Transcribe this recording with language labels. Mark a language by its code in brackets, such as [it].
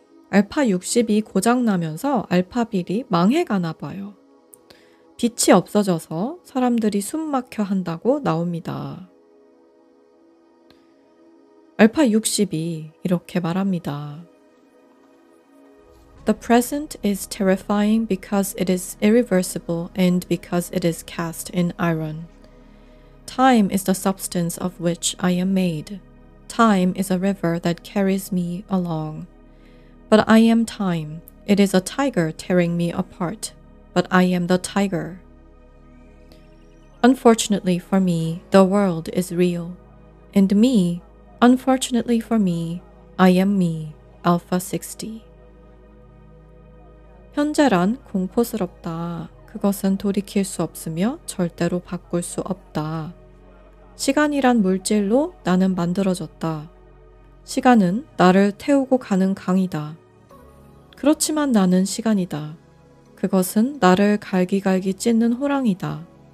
[ko] 알파 60이 고장나면서 알파빌이 망해가나 봐요. 빛이 없어져서 사람들이 숨 막혀 한다고 나옵니다. 알파 60이 이렇게 말합니다. [en] The present is terrifying because it is irreversible and because it is cast in iron. Time is the substance of which I am made. Time is a river that carries me along. But I am time. It is a tiger tearing me apart. But I am the tiger. Unfortunately for me, the world is real. And me, unfortunately for me, I am me, Alpha 60. [ko] 현재란 공포스럽다. 그것은 돌이킬 수 없으며 절대로 바꿀 수 없다. 시간이란 물질로 나는 만들어졌다. 시간은 나를 태우고 가는 강이다. 그렇지만 나는 시간이다. 그것은 나를 갈기갈기 찢는 호랑이다.